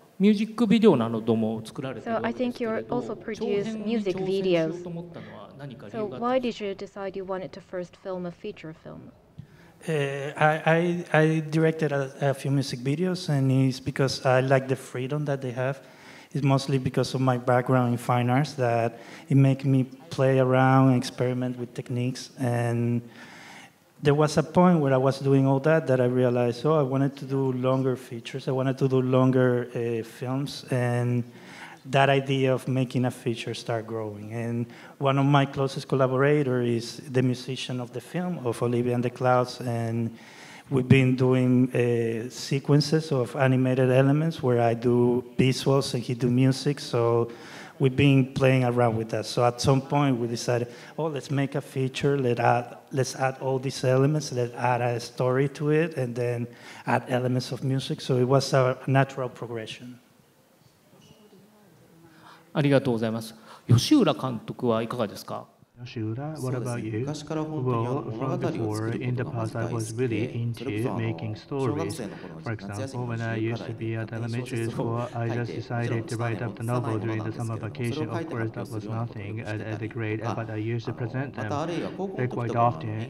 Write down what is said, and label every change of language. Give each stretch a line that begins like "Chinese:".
Japanese: ミュージックビデオなども作られているわけですけれど、長編に挑戦しようと思ったのは何か理由があったんですか？
English: So why did you decide you wanted to first film a feature film? I directed a few music videos, and it's because I like the freedom that they have. It's mostly because of my background in fine arts that it makes me play around and experiment with techniques. And there was a point where I was doing all that that I realized, oh, I wanted to do longer features. I wanted to do longer films. And that idea of making a feature start growing. And one of my closest collaborators is the musician of the film, of Olivia and the Clouds. And we've been doing sequences of animated elements where I do visuals and he do music. So we've been playing around with that. So at some point we decided, oh, let's make a feature. Let's add all these elements. Let's add a story to it and then add elements of music. So it was a natural progression.
Japanese: ありがとうございます。吉浦監督はいかがですか？
English: What about you? Well, from before, in the past, I was really into making stories. For example, when I used to be at elementary school, I just decided to write up the novel during the summer vacation. Of course, that was nothing at the grade, but I used to present them quite often.